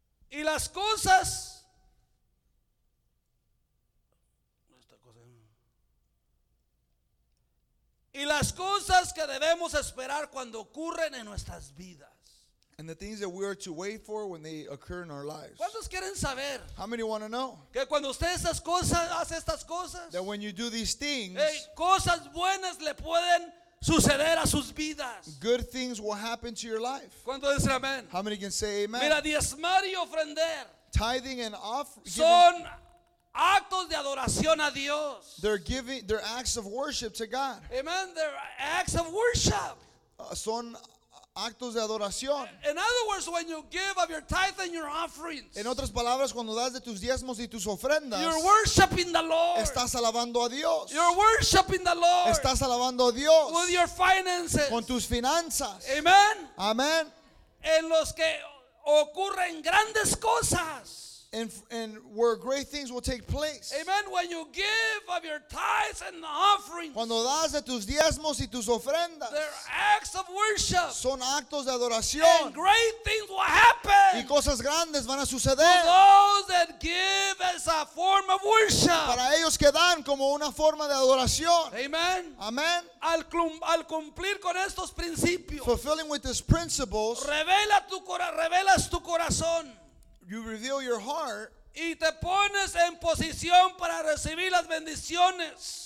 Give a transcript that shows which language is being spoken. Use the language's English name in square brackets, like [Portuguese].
[Spanish] Y las cosas, y las cosas que debemos esperar cuando ocurren en nuestras vidas. [English] And the things that we are to wait for when they occur in our lives. [Spanish] ¿Cuántos quieren saber? [English] How many want to know? [Spanish] Que cuando usted esas cosas, hace estas cosas, [English] that when you do these things, [Spanish] hey, cosas buenas le pueden suceder a sus vidas. [English] Good things will happen to your life. [Spanish] ¿Cuántos dicen amén? [English] How many can say amen? [Spanish] Mira, diezmar y ofrender, [English] tithing and offering, [Spanish] son actos de adoración a Dios. [English] They're giving, they're acts of worship to God. Amen. They're acts of worship. [Spanish] Son actos de adoración. [English] In other words, when you give of your tithe and your offerings, [Spanish] en otras palabras, cuando das de tus diezmos y tus ofrendas, [English] you're worshiping the Lord. [Spanish] Estás alabando a Dios. [English] You're worshiping the Lord. [Spanish] Estás alabando a Dios. [English] With your finances. [Spanish] Con tus finanzas. [English] Amen. [Spanish] Amen. En los que ocurren grandes cosas. [English] And where great things will take place. Amen. When you give of your tithes and offerings, [Spanish] cuando das de tus diezmos y tus ofrendas, [English] they're acts of worship. [Spanish] Son actos de adoración. [English] And great things will happen. [Spanish] Y cosas grandes van a suceder. [English] For those that give as a form of worship. [Spanish] Para ellos que dan como una forma de adoración. [English] Amen. [Spanish] Amen. Al cumplir con estos principios, [English] fulfilling with these principles, [Spanish] revelas tu corazón. [English] You reveal your heart, [Spanish] y te pones en posición para recibir las bendiciones,